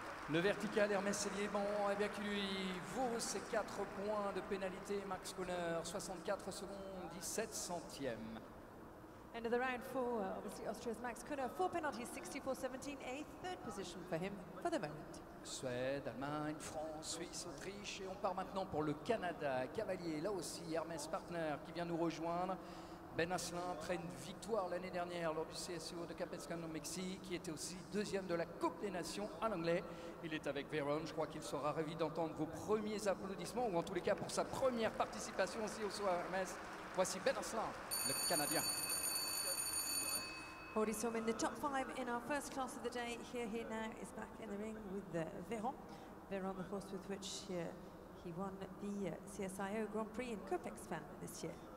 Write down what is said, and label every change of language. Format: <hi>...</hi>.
<fr>Le vertical, Hermès Sellier, bon, et bien qui lui vaut ses 4 points de pénalité, Max Koller, 64 secondes, 17 centièmes.</fr> <en>End of the round for obviously Austria's Max Koller, 4 penalties, 64-17, a third position for him for the moment.</en> <fr>Suède, Allemagne, France, Suisse, Autriche, et on part maintenant pour le Canada. Cavalier, là aussi, Hermès Partner qui vient nous rejoindre. Ben Asselin, après une victoire l'année dernière lors du CSEO de Capescan au Mexique, qui était aussi deuxième de la Coupe des Nations à l'anglais. Il est avec Véron, je crois qu'il sera ravi d'entendre vos premiers applaudissements, ou en tous les cas pour sa première participation aussi au soir Hermès. Voici Ben Asselin, le Canadien.</fr> <en>Already saw him in the top five in our first class of the day. Here he now is back in the ring with Véron. Véron, the horse with which he won the CSIO Grand Prix in Copexpan this year.</en>